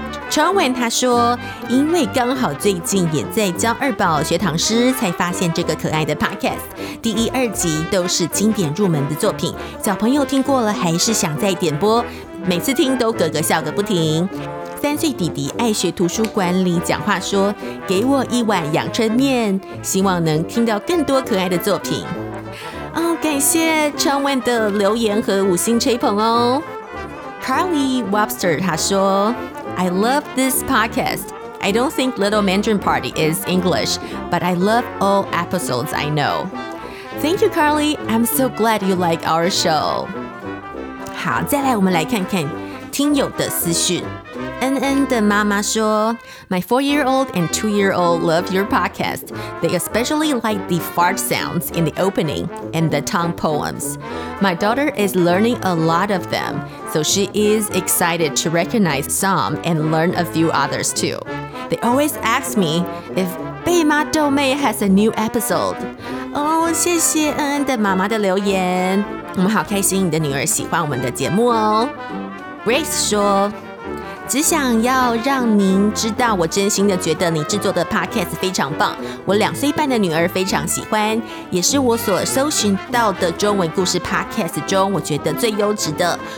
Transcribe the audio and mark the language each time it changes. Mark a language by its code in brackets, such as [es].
[zh] 传闻他说因为刚好最近也在教二宝学唐诗，才发现这个可爱的 podcast， 第一二集都是经典入门的作品，小朋友听过了还是想再点播，每次听都咯咯笑个不停。三岁弟弟爱学图书馆里讲话说，给我一碗阳春面，希望能听到更多可爱的作品。感谢 Chen Wen 的留言和五星吹捧哦。 [en] Carly Webster [zh] 他说 [en] I love this podcast. I don't think Little Mandarin Party is English, but I love all episodes I know. Thank you, Carly. I'm so glad you like our show. [zh] 好，再来我们来看看听友的私讯。恩恩的妈妈说 [en] My 4-year-old and 2-year-old love your podcast. They especially like the fart sounds in the opening and the tongue poems. My daughter is learning a lot of them, so she is excited to recognize some and learn a few others too. They always ask me if 贝妈豆妹 has a new episode. [zh] 哦，谢谢恩恩的妈妈的留言，我们好开心你的女儿喜欢我们的节目哦。 Grace 说只想要让您知道，我真心的觉得你制作的 podcast 非常棒。我两岁半的女儿非常喜欢，也是我所搜寻到的中文故事 podcast 中我觉得最优质的。